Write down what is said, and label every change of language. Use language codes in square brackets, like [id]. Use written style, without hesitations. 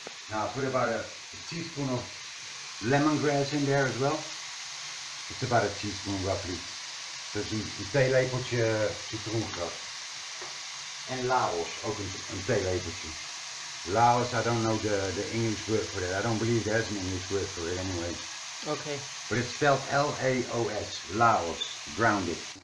[en] Now I put about a teaspoon of lemongrass in there as well. It's about a teaspoon roughly. [nl] Dus een theelepeltje citroengras. En Laos, ook een theelepeltje. [en] Laos, I don't know the English word for that. I don't believe there's an English word for it anyway. Okay. But it's spelled L-A-O-S, Laos, grounded.